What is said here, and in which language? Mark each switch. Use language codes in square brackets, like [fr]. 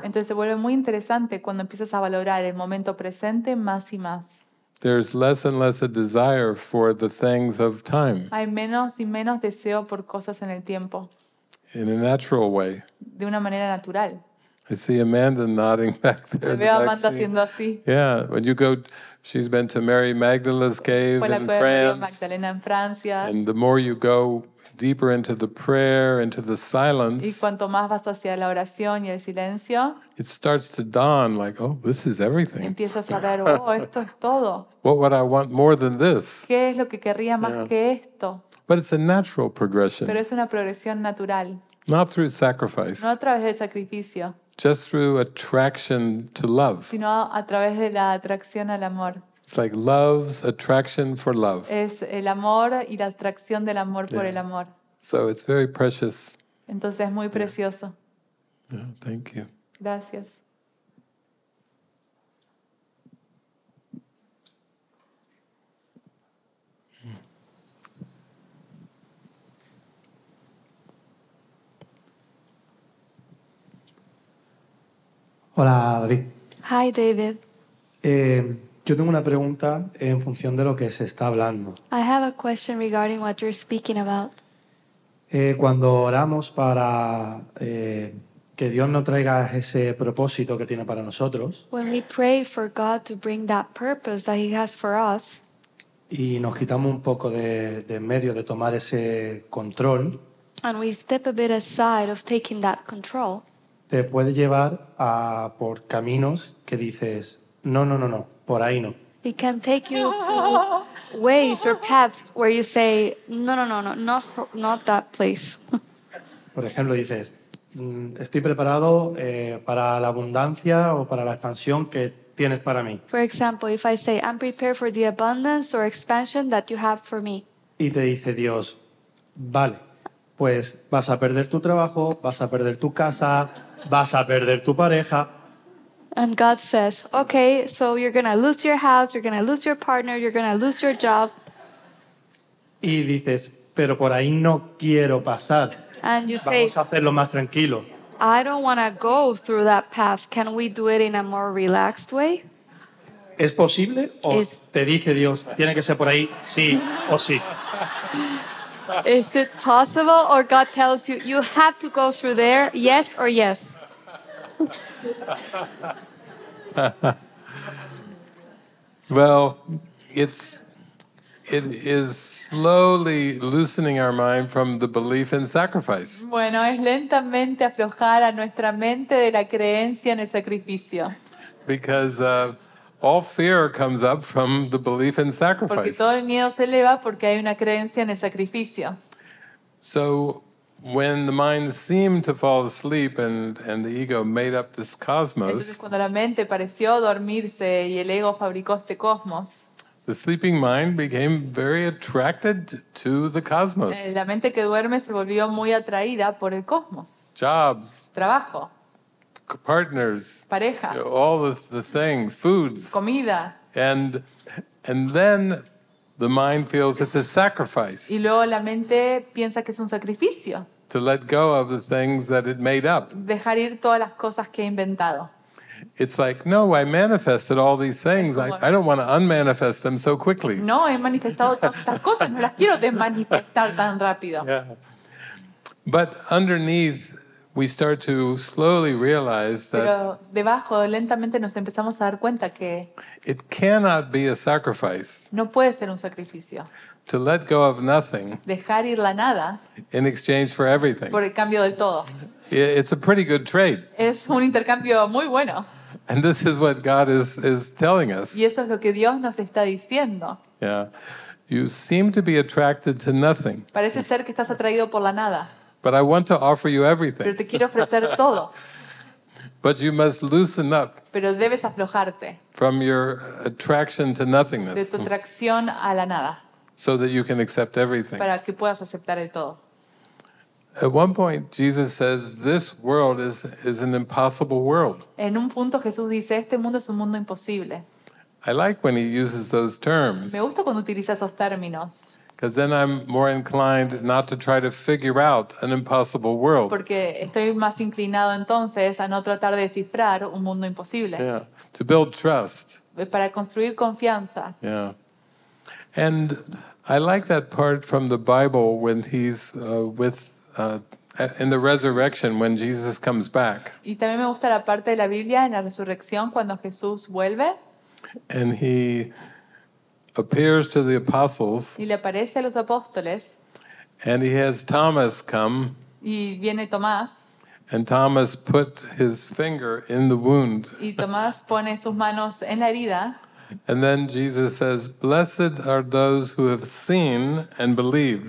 [es] Entonces se vuelve muy interesante cuando empiezas a valorar el momento presente más y más. [en] There's less and less a desire for the things of time. [es] Hay menos y menos deseo por cosas en el tiempo. [en] In a natural way. [es] De una manera natural. [en] I see Amanda nodding back there. [es] Veo a Amanda haciendo así. [en] Yeah, when you go, she's been to Mary Magdalene's cave in France. [es] Magdalena en Francia. [en] And the more you go deeper into the prayer, into the silence, [es] y cuanto más vas hacia la oración y el silencio, [en] it starts to dawn, like, oh, this is everything. [es] Empiezas a ver, oh, esto es todo. [en] What would I want more than this? [es] ¿Qué es lo que querría más que esto? [en] But it's a natural progression. [es] Pero es una progresión natural. [en] Not through sacrifice. [es] No a través del sacrificio. [en] Just through attraction to love. [es] Sino a través de la atracción al amor. [en] It's like love's attraction for love. [es] Es el amor y la atracción del amor por el amor. [en] So it's very precious. [es] Entonces es muy precioso. [en] Yeah, thank you. [es] Gracias. Hola, David. [en] Hi, David. [es] Yo tengo una pregunta en función de lo que se está hablando. [en] I have a question regarding what you're speaking about. [es] Cuando oramos para que Dios nos traiga ese propósito que tiene para nosotros. [en] When we pray for God to bring that purpose that He has for us. [es] Y nos quitamos un poco de medio de tomar ese control. [en] And we step a bit aside of taking that control. [es] Te puede llevar a por caminos que dices no, por ahí no. [en] It can take you to ways or paths where you say no, not that place. [es] Por ejemplo, dices estoy preparado para la abundancia o para la expansión que tienes para mí. [en] For example, if I say I'm prepared for the abundance or expansion that you have for me. [es] Y te dice Dios, vale, pues vas a perder tu trabajo, vas a perder tu casa. Vas a perder tu pareja. [en] And God says, okay, so you're going to lose your house, you're going to lose your partner, you're going to lose your job. [es] Y dices, pero por ahí no quiero pasar. [en] And you [es] Vamos [en] say, [es] a hacerlo más tranquilo. [en] I don't want to go through that path. Can we do it in a more relaxed way? [es] ¿Es posible? ¿O is, te dice Dios, tiene que ser por ahí, sí o sí? [en] Is it possible or God tells you, you have to go through there, yes or yes? Well, it is slowly loosening our mind from the belief in sacrifice. [es] Bueno, es lentamente aflojar a nuestra mente de la creencia en el sacrificio. [en] Because all fear comes up from the belief in sacrifice. [es] Porque todo el miedo se eleva porque hay una creencia en el sacrificio. [en] So when the mind seemed to fall asleep and the ego made up this cosmos. [es] Entonces cuando la mente pareció dormirse y el ego fabricó este cosmos. [en] The sleeping mind became very attracted to the cosmos. [es] La mente que duerme se volvió muy atraída por el cosmos. [en] Jobs. [es] Trabajo. [en] Partners. [es] Pareja. [en] You know, all the things, foods. [es] Comida. [en] And then the mind feels it's a sacrifice. [es] Y luego la mente piensa que es un sacrificio. [en] To let go of the things that it made up. [es] Dejar ir todas las cosas que he inventado. [en] It's like, no, I manifested all these things. I don't want to unmanifest them so quickly. [es] No, he manifestado tantas cosas. No las quiero desmanifestar tan rápido. [en] Yeah. But underneath, we start to slowly realize that. [es] Pero debajo, lentamente, nos empezamos a dar cuenta que. [en] It cannot be a sacrifice. [es] No puede ser un sacrificio. [en] To let go of nothing. [es] Dejar ir la nada. [en] In exchange for everything. [es] Por el cambio del todo. [en] It's a pretty good trade. [es] Es un intercambio muy bueno. [en] And this is what God is telling us. [es] Y eso es lo que Dios nos está diciendo. [en] Yeah, you seem to be attracted to nothing. [es] Parece ser que estás atraído por la nada. [en] But I want to offer you everything. [es] Pero te quiero ofrecer todo. [en] But you must loosen up. [es] Pero debes aflojarte. [en] From your attraction to nothingness. [es] De tu atracción a la nada. [en] So that you can accept everything. [es] Para que puedas aceptar el todo. [en] At one point, Jesus says, "This world is an impossible world." [es] En un punto Jesús dice, "Este mundo es un mundo imposible." [en] I like when he uses those terms. [es] Me gusta cuando utiliza esos términos. [en] Because then I'm more inclined not to try to figure out an impossible world. [es] Porque estoy más inclinado entonces a no tratar de descifrar un mundo imposible. [en] Yeah. To build trust. [es] Para construir confianza. [en] Yeah. And I like that part from the Bible when he's in the resurrection when Jesus comes back. [es] Y también me gusta la parte de la Biblia en la resurrección cuando Jesús vuelve. [en] And he appears to the apostles. [es] Y le aparece a los apóstoles. [en] And he has Thomas come. [es] Y viene Tomás. [en] And Thomas put his finger in the wound. [es] Y Tomás pone sus manos en la herida. [en] And then Jesus says, "Blessed are those who have seen and believed."